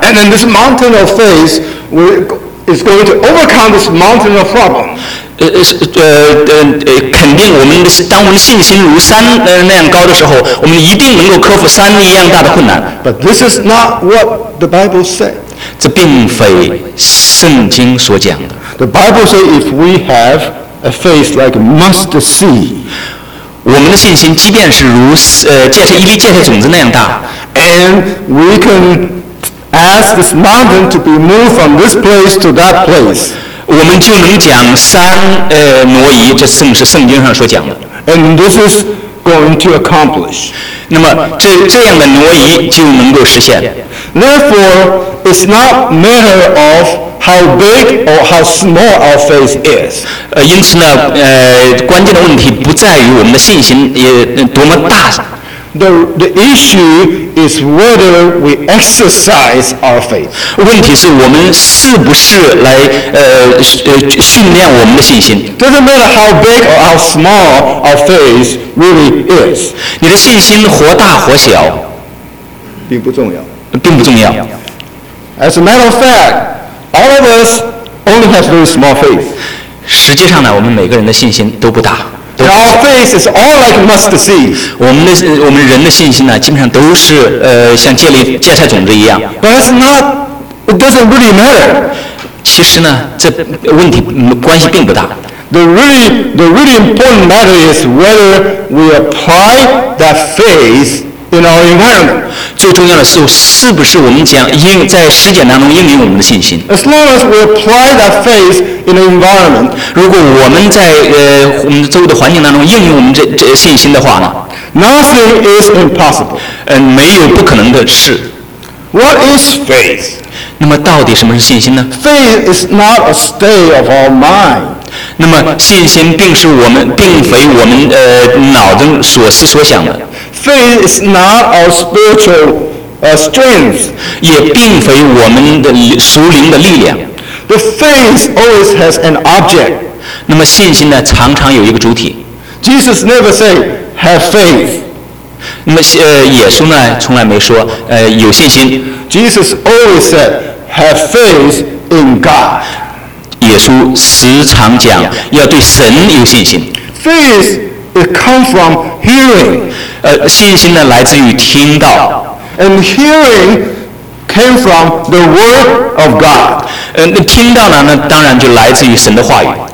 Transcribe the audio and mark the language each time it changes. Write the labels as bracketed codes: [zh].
[en] And then this mountain of faith is going to overcome this mountain of problem. [zh] 肯定我们的当我们的信心如山那样高的时候，我们一定能够克服山一样大的困难。 [en] But this is not what the Bible said. [zh] 这并非圣经所讲的。 [en] The Bible says if we have a faith like mustard seed, [zh] 我们的信心即便是如芥菜种子那样大 [en] ，and we can ask this mountain to be moved from this place to that place. [zh] 我们就能讲山挪移，这正是圣经上所讲的。 [en] And this is going to accomplish. [zh] 那么这样的挪移就能够实现。 [en] Therefore, it's not matter of how big or how small our faith is. [zh] 因此呢，关键的问题不在于我们的信心多么大。 [en] The issue is whether we exercise our faith. [zh] 问题是我们是不是来训练我们的信心。 [en] Doesn't matter how big or how small our faith really is. [zh] 你的信心或大或小，并不重要。并不重要。 [en] As a matter of fact, all of us only have very small faith. [zh] 实际上呢，我们每个人的信心都不大。 [en] Our faith is all like mustard seed. [zh] 我们人的信心呢，基本上都是像芥菜种子一样。 [en] But it's not. It doesn't really matter. [zh] 其实呢，这问题关系并不大。 [en] The really important matter is whether we apply that faith in our environment. [zh] 最重要的是不是我们在实践当中应用我们的信心。 [en] As long as we apply that faith. In an environment, [zh] 如果我们在我们周围的环境当中应用我们这信心的话呢 [en] ，Nothing is impossible. [zh] 没有不可能的事。 [en] What is faith? [zh] 那么到底什么是信心呢 [en] ？Faith is not a state of our mind. [zh] 那么信心并非我们脑中所思所想的。 [en] Faith is not our spiritual strength. [zh] 也并非我们的属灵的力量。 [en] The faith always has an object. [zh] 那么信心呢，常常有一个主体。 [en] Jesus never said, "Have faith." [zh] 那么耶稣呢，从来没说有信心。 [en] Jesus always said, "Have faith in God." [zh] 耶稣时常讲要对神有信心。 [en] Faith it comes from hearing. [zh] 信心呢，来自于听到。 [en] And hearing. Came from the word of God. [zh] 听到呢，那当然就来自于神的话语。